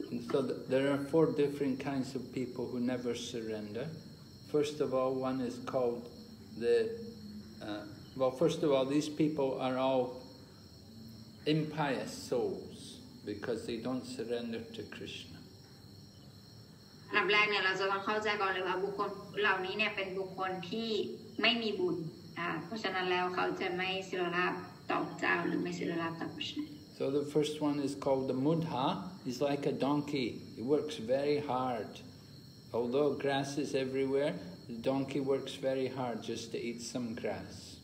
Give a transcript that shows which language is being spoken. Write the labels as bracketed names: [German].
[English] So there are four different kinds of people who never surrender. First of all, one is called these people are all impious souls because they don't surrender to Krishna. [Thai] นับแรกเนี่ยเราจะต้องเข้าใจก่อนเลยว่าบุคคลเหล่านี้เนี่ยเป็นบุคคลที่ไม่มีบุญเพราะฉะนั้นแล้วเขาจะไม่ศีลลาภต่อเจ้าหรือไม่ศีลลาภต่อพระเจ้า [English] So the first one is called the mudha. He's like a donkey. He works very hard. Although grass is everywhere, the donkey works very hard just to eat some grass.